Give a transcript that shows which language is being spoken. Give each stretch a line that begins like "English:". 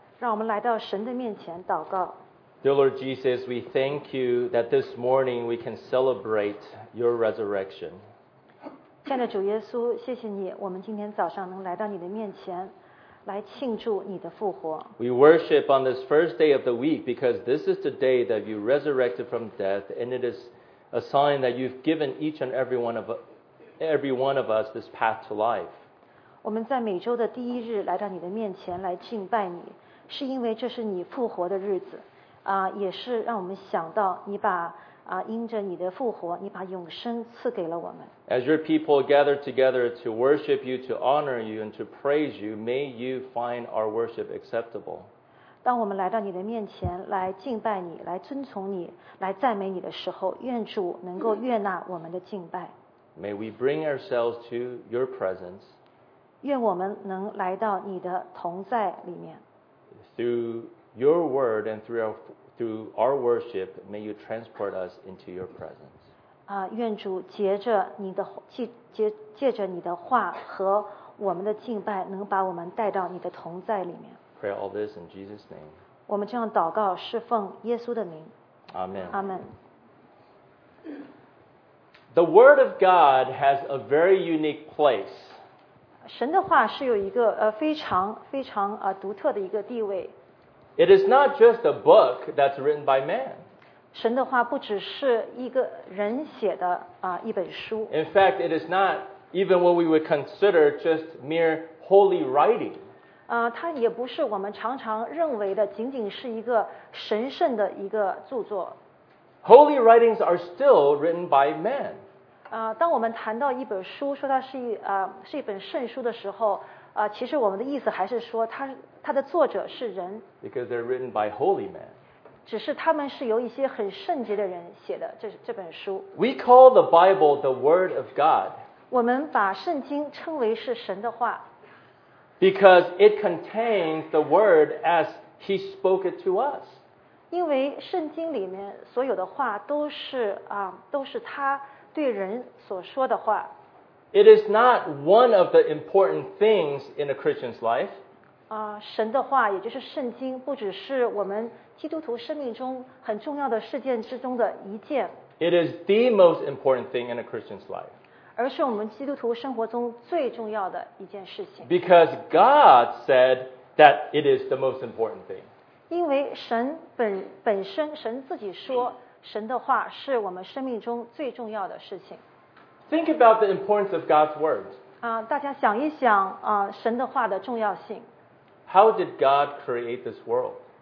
Chinese: 让我们来到神的面前祷告。
English: Dear Lord Jesus, we thank you that this morning we can celebrate your resurrection.
Chinese: 亲爱的主耶稣，谢谢你，我们今天早上能来到你的面前。来庆祝你的复活。
English: We worship on this first day of the week because this is the day that you resurrected from death, and it is a sign that you've given each and every one of us this path to life.
Chinese: 我们在每周的第一日来到你的面前来敬拜你，是因为这是你复活的日子，也是让我们想到你把因着你的复活，你把永生赐给了我们。
English: As your people gather together to worship you, to honor you, and to praise you, may you find our worship acceptable.
Chinese: 当我们来到你的面前，来敬拜你，来遵从你，来赞美你的时候，愿主能够悦纳我们的敬拜。
English: May we bring ourselves to your presence.
Chinese: 愿我们能来到你的同在里面。
English: Through your word and through our worship, may you transport us into your presence.
Chinese: 愿主借着你的话和我们的敬拜，能把我们带到你的同在里面。
English: Pray all this in Jesus' name.
Chinese: 我们这样祷告，是奉耶稣的名。
English: Amen. Amen. The Word of God has a very unique place.
Chinese: 神的话是有一个非常独特的一个地位。
English: It is not just a book that's written by man.
Chinese: 神的话不只是一个人写的一本书。
English: In fact, it is not even what we would consider just mere holy writing.
Chinese: 它也不是我们常常认为的仅仅是一个神圣的一个著作。
English: Holy writings are still written by man.
Chinese: 当我们谈到一本书，说它是一本圣书的时候，其实我们的意思还是说它的作者是人。
English: Because they're written by holy men.
Chinese: 只是他们是由一些很圣洁的人写的这本书。
English: We call the Bible the Word of God.
Chinese: 我们把圣经称为是神的话。
English: Because it contains the Word as He spoke it to us.
Chinese: 因为圣经里面所有的话都是他对人所说的话。
English: It is not one of the important things in a Christian's life.
Chinese: 神的话，也就是圣经，不只是我们基督徒生命中很重要的事件之中的一件。
English: It is the most important thing in a Christian's life.
Chinese: 而是我们基督徒生活中最重要的一件事情。
English: Because God said that it is the most important thing.
Chinese: 因为神本身，神自己说，神的话是我们生命中最重要的事情。
English: Think about the importance of God's word.
Chinese: 大家想一想神的话的重要性。
English: How did God create this world?